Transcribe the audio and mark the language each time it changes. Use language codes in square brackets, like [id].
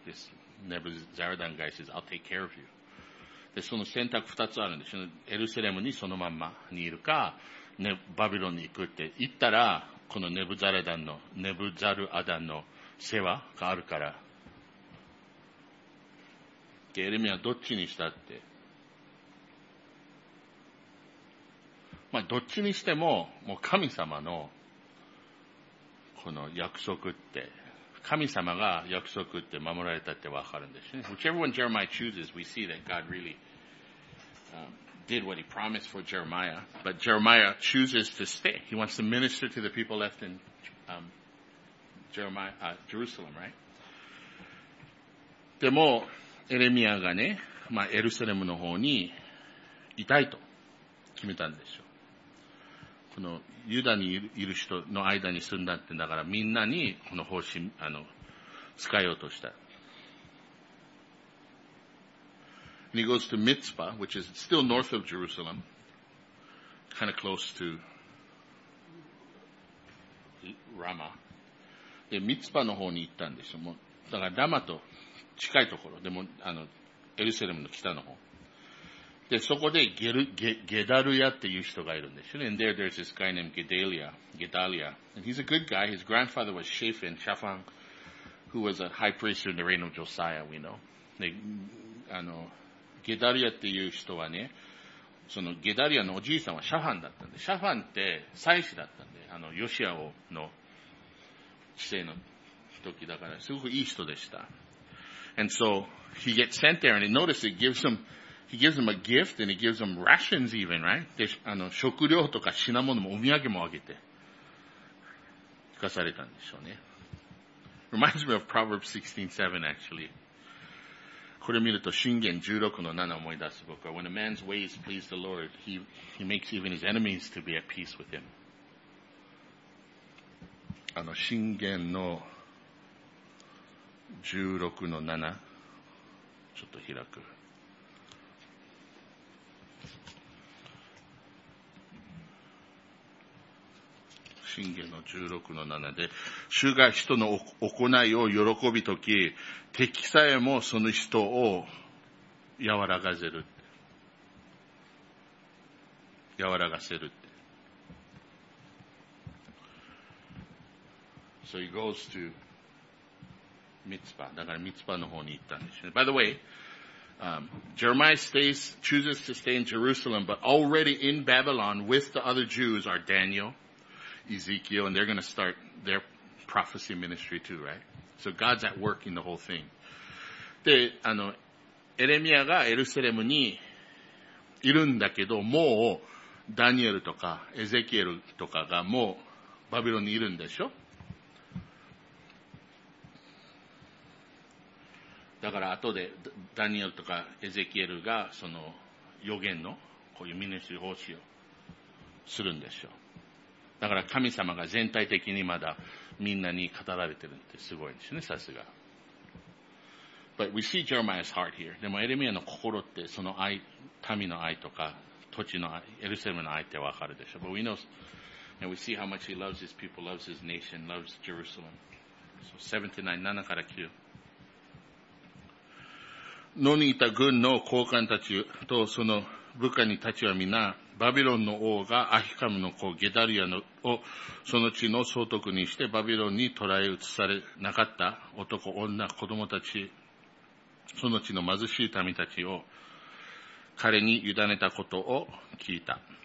[en] This Nebuzaradan guy says, I'll take care of you. [ja] で、その選択二つあるんですよ。エルサレムにそのまんまにいるか、バビロンに行くって言ったら、このネブザルアダンの世話があるから。で、エレミアはどっちにしたって。まあ、どっちにしても、もう神様のこの約束って、神様が約束って守られたって分かるんですね。 [en] Whichever one Jeremiah chooses, we see that God really、did what he promised for Jeremiah. But Jeremiah chooses to stay. He wants to minister to the people left in、Jerusalem, right? [ja] でも、エレミアがね、まあ、エルサレムの方にいたいと決めたんでしょう。このユダにいる人の間に住んだって、だからみんなにこの方針、使えようとした。 [en] And he goes to Mitzpah, which is still north of Jerusalem, kind of close to Ramah. [ja] で、Mitzpah の方に行ったんでしょう。もう、だからラマと近いところ。でも、エルサレムの北の方。で、そこでゲダルヤっていう人がいるんでしょ。 [en] And there's this guy named Gedalia. And he's a good guy. His grandfather was Shaphan, who was a high priest in the reign of Josiah, we know. [ja] で、ゲダリアっていう人はね、そのゲダリアのおじいさんはシャファンだったんで、シャファンって祭司だったんで、ヨシアオの治世の時だから、すごくいい人でした。 [en] And so, he gets sent there, and notice he gives him a gift, and he gives him rations even, right? [ja] で、食料とか品物もお土産もあげて、聞かされたんでしょうね。 [en] Reminds me of Proverbs 16:7 actually. [ja] これ見ると箴言16:7思い出す僕は。 [en] When a man's ways please the Lord, he makes even his enemies to be at peace with him. [ja] 箴言の16:7ちょっと開く。信玄の16:7で、主が人の行いを喜びとき、敵さえもその人を和らがせる。和らがせる。 [en] So he goes to Mitzpah. [ja] だからミツパの方に行ったんですね。 [en] By the way,Jeremiah chooses to stay in Jerusalem, but already in Babylon with the other Jews are Daniel. Ezekiel, and they're going to start their prophecy ministry too, right? So God's at work in the whole thing. [ja] で、エレミアがエルサレムにいるんだけど、もうダニエルとかエゼキエルとかがもうバビロンにいるんでしょ？だから後でダニエルとかエゼキエルがその予言のこういうミニスリー奉仕をするんでしょ？だから神様が全体的にまだみんなに語られてるってすごいですね、さすが。 [en] But we see Jeremiah's heart here. [ja] でもエレミアの心ってその愛、民の愛とか土地の愛、エルサレムの愛ってわかるでしょ。 [en] But we know, and we see how much he loves his people, loves his nation, loves Jerusalem. So 7:9-9:9。 [ja] 野にいた軍の高官たちとその部下にたちは皆、バビロンの王がアヒカムの子ゲダリアのをその地の総督にしてバビロンに捕らえ移されなかった男、女、子供たち、その地の貧しい民たちを彼に委ねたことを聞いた。